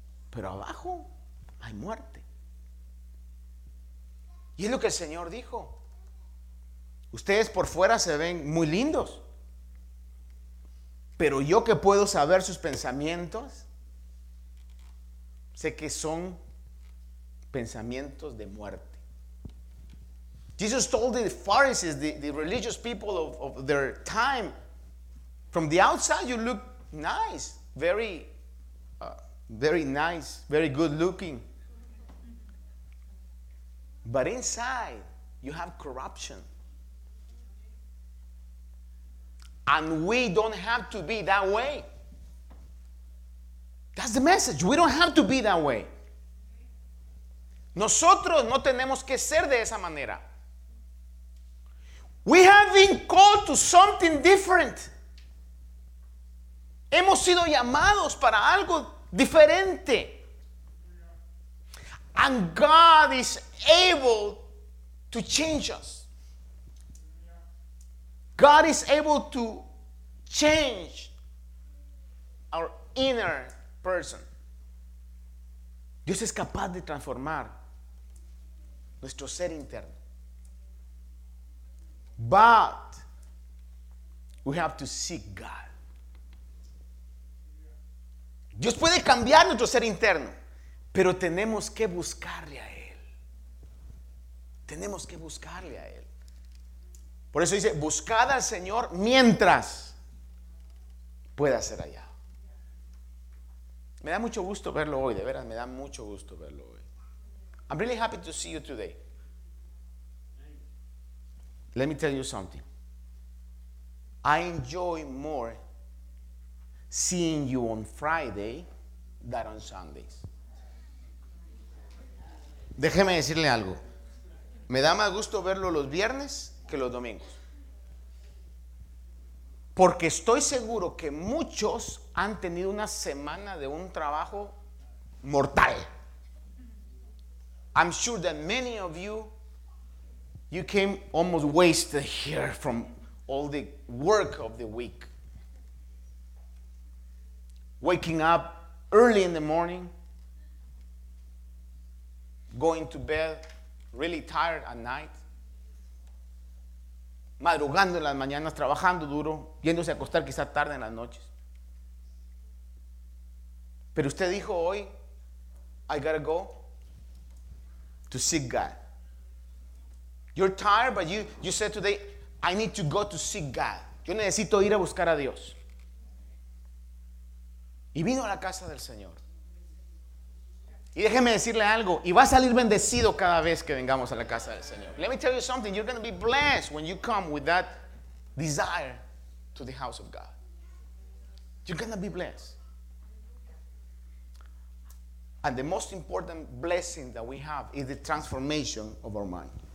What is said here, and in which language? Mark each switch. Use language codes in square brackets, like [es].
[es] Pero abajo hay muerte. Y es lo que el Señor dijo. Ustedes por fuera se ven muy lindos, pero yo que puedo saber sus pensamientos, sé que son pensamientos de muerte. [en] Jesus told the Pharisees, the religious people of their time, from the outside you look nice, very nice, very good looking. But inside you have corruption. And we don't have to be that way. That's the message. We don't have to be that way. [es] Nosotros no tenemos que ser de esa manera. [en] We have been called to something different. [es] Hemos sido llamados para algo diferente. [en] And God is able to change us. God is able to change our inner person. [es] Dios es capaz de transformar nuestro ser interno. [en] But we have to seek God. [es] Dios puede cambiar nuestro ser interno, pero tenemos que buscarle a Él. Tenemos que buscarle a Él. Por eso dice, buscad al Señor mientras pueda ser hallado. Me da mucho gusto verlo hoy, de veras, me da mucho gusto verlo hoy. [en] I'm really happy to see you today. Let me tell you something. I enjoy more seeing you on Friday than on Sundays. [es] Déjeme decirle algo. Me da más gusto verlo los viernes que los domingos. Porque estoy seguro que muchos han tenido una semana de un trabajo mortal. [en] I'm sure that many of you, you came almost wasted here from all the work of the week. Waking up early in the morning, going to bed really tired at night. [es] Madrugando en las mañanas, trabajando duro, yéndose a acostar quizá tarde en las noches. Pero usted dijo hoy, [en] I gotta go to seek God. You're tired, but you said today, I need to go to seek God. [es] Yo necesito ir a buscar a Dios. Y vino a la casa del Señor. Y déjeme decirle algo, y va a salir bendecido cada vez que vengamos a la casa del Señor. [en] Let me tell you something, you're going to be blessed when you come with that desire to the house of God. You're going to be blessed. And the most important blessing that we have is the transformation of our mind.